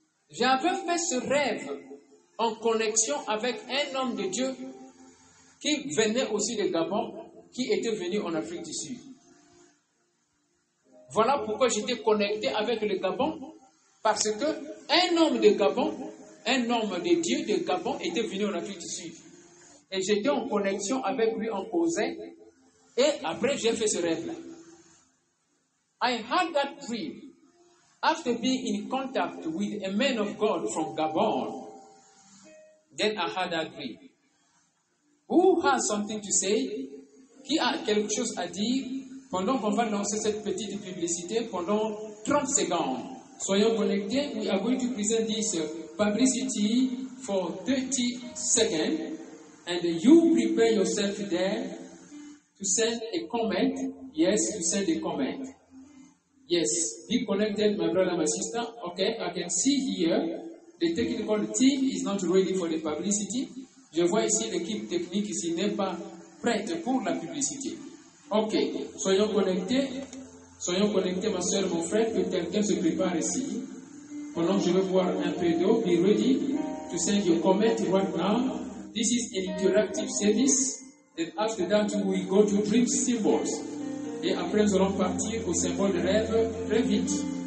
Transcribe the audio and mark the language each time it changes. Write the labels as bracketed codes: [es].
[fr] J'avais fait ce rêve en connexion avec un homme de Dieu qui venait aussi de Gabon, qui était venu en Afrique du Sud. Voilà pourquoi j'étais connecté avec le Gabon, parce que un homme de Dieu de Gabon était venu en Afrique du Sud. Et j'étais en connexion avec lui, en causant. Et après, j'ai fait ce rêve-là. [en] I had that dream after being in contact with a man of God from Gabon. Then I had that dream. Who has something to say? [fr] Qui a quelque chose à dire pendant qu'on va lancer cette petite publicité pendant 30 secondes? Soyons connectés. [en] We are going to present this publicity for 30 seconds. And you prepare yourself there. To send a comment, yes, to send a comment. Yes, be connected, my brother, my sister. Okay, I can see here, the technical team is not ready for the publicity. [fr] Je vois ici l'équipe technique ici n'est pas prête pour la publicité. Okay, soyons connectés, ma soeur, mon frère, que quelqu'un se prépare ici. Pendant que je vais voir un peu d'eau, [en] be ready to send your comment right now. This is an interactive service. And after that, we go to dream symbols. [fr] Et après, nous allons partir au symbole de rêve très vite.